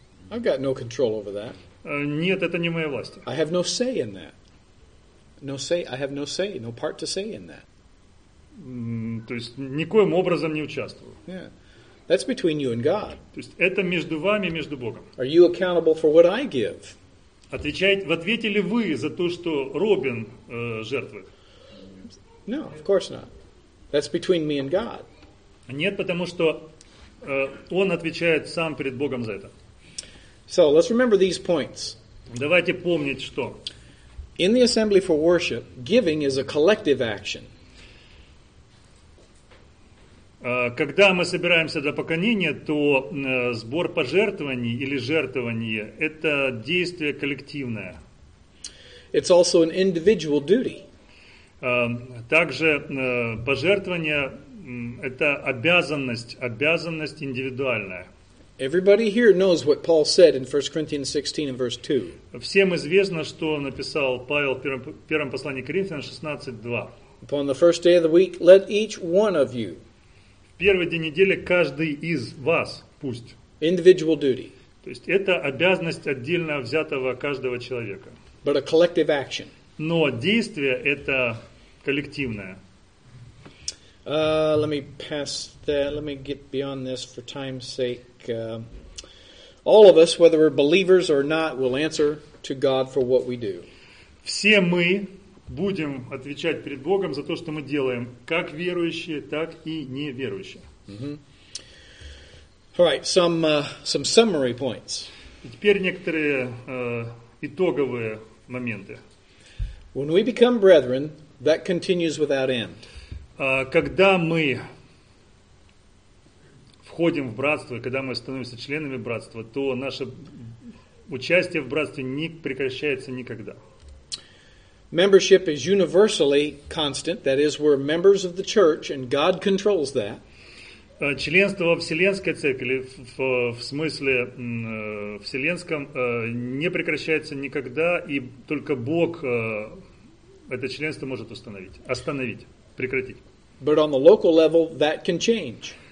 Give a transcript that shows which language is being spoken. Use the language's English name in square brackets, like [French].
[English] I've got no control over that. [Russian] Нет, это не моя власть. [English] I have no say in that. I have no say, no part to say in that. [Russian] То есть никоим образом не участвую. [English] Yeah. That's between you and God. [Russian] То есть это между вами и между Богом. [English] Are you accountable for what I give? [Russian] Ответите ли вы за то, что Робин жертвует? [English] No, of course not. That's between me and God. [Russian] Нет, потому что он отвечает сам перед Богом за это. [English] So let's remember these points. [Russian] Давайте помнить что. [English] In the assembly for worship, giving is a collective action. [Russian] Когда мы собираемся для поклонения, то сбор пожертвований или жертвование – это действие коллективное. [English] It's also an individual duty. [Russian] Также пожертвование – это обязанность индивидуальная. [English] Everybody here knows what Paul said in 1 Corinthians 16 and verse 2. [Russian] Всем известно, что написал Павел в первом послании к Коринфянам 16:2. [English] Upon the first day of the week, let each one of you. [Russian] В первый день недели каждый из вас пусть. [English] Individual duty. [Russian] То есть это обязанность отдельно взятого каждого человека. [English] But a collective action. [Russian] Но действие это коллективное. [English] Let me pass that. Let me get beyond this for time's sake. All of us, whether we're believers or not, will answer to God for what we do. [Russian] Все мы будем отвечать перед Богом за то, что мы делаем, как верующие, так и неверующие. [English] All right, some summary points. [Russian] И теперь некоторые итоговые моменты. [English] When we become brethren, that continues without end. [Russian] Когда мы входим в братство, когда мы становимся членами братства, то наше участие в братстве не прекращается никогда. [English] Membership is universally constant, that is, we're members of the church, and God controls that. [Russian] Членство во Вселенской Церкви, в смысле вселенском, не прекращается никогда, и только Бог это членство может остановить, прекратить. [English] But on the local level, that can change.